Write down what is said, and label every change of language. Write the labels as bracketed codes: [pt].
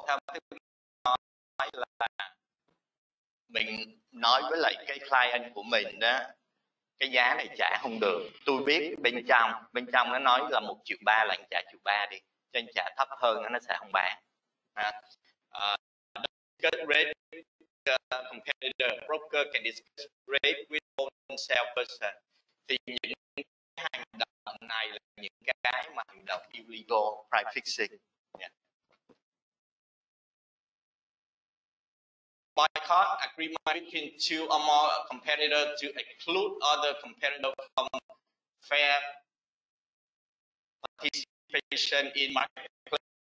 [vi] Theo nói là mình nói với lại cái client của mình đó, cái giá này trả không được, tôi biết bên trong nó nói là 1.3 triệu là anh trả 1.3 triệu đi, cho anh trả thấp hơn nó sẽ không bán. [en] Cut rate competitor broker can discuss rate with own salesperson. [vi] Thì những cái hành động này là những cái mà hành động illegal price fixing. [en] Boycott agreement between two or more competitors to exclude other competitors from fair participation in marketplace.